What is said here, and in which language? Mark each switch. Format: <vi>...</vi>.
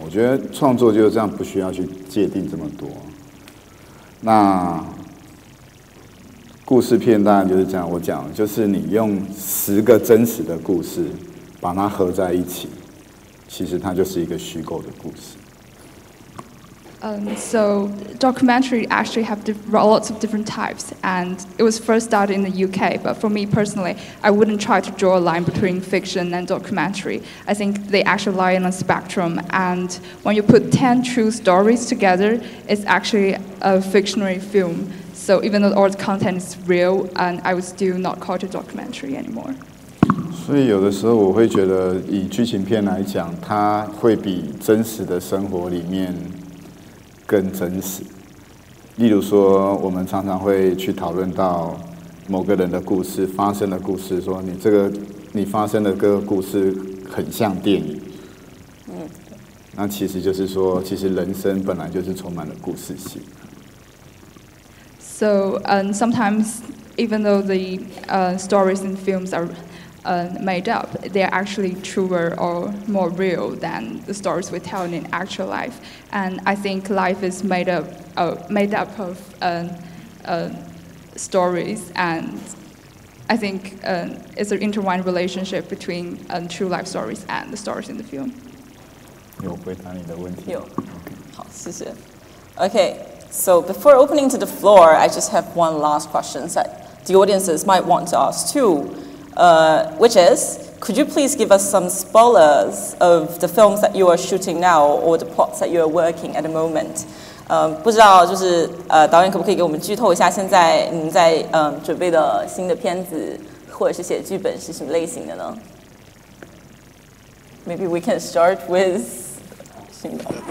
<zh>我觉得创作就是这样，不需要去界定这么多。那故事片当然就是这样，我讲就是你用十个真实的故事把它合在一起，其实它就是一个虚构的故事。</zh> <en>So documentary actually have lots of different types, and it was first started in the UK, but for me personally, I wouldn't try to draw a line between fiction and documentary. I think they actually lie in a spectrum, and when you put 10 true stories together, it's actually a fictionary film. So even though all the content is real, and I would still not call it a documentary anymore.</en> <zh>所以有的时候我会觉得以剧情片来讲，它会比真实的生活里面更真实。例如说我们常常会去讨论到某个人的故事，发生的故事，说你发生的个故事很像电影，那其实就是说其实人生本来就是充满了故事性。</zh> <en>So sometimes even though the stories and films are made up, they are actually truer or more real than the stories we tell in actual life. And I think life is made up of stories, and I think it's an intertwined relationship between true life stories and the stories in the film.</en> <zh>有回答你的问题。有。好，谢谢。Okay.</zh> <en>So before opening to the floor, I just have one last question that the audiences might want to ask too, which is, could you please give us some spoilers of the films that you are shooting now or the plots that you are working at the moment?</en> <zh>不知道就是导演可不可以给我们剧透一下现在您在准备的新的片子或者是写剧本是什么类型的呢？</zh> <en>Maybe we can start with</en> <zh>新的。</zh>